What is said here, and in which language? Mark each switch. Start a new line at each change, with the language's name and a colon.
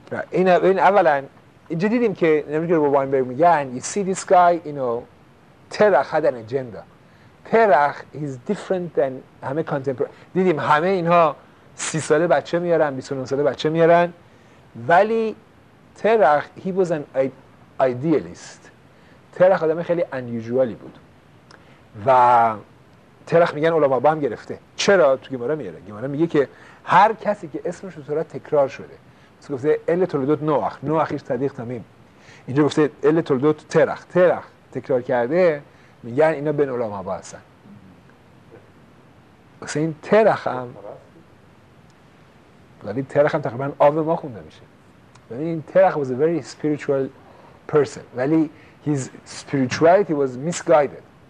Persian: این اولا اینجا دیدیم که نمیدونم که رو با واینبرگ میگن
English: you see this guy, you know, ترخ had an agenda. ترخ is different than
Persian: همه
English: contemporary.
Persian: دیدیم همه اینها 30 ساله بچه میارن 29 ساله بچه میارن ولی ترخ
English: he was an idealist.
Persian: ترخ آدم خیلی unusualی بود و ترخ میگن علما با هم گرفته. چرا؟ تو گمارا میاره. گمارا میگه که هر کسی که اسمش رو تکرار شده گفته ال تولدوت نوخ نوخیش تدیق تمیم اینجا گفته ال تولدوت ترخ ترخ تکرار کرده میگن اینا بن علام هبا هستن واسه این ترخ هم ولی ترخ هم تقریبا آوه ما خونده میشه ولی این ترخ
English: was a very spiritual person
Persian: ولی
English: his spirituality was misguided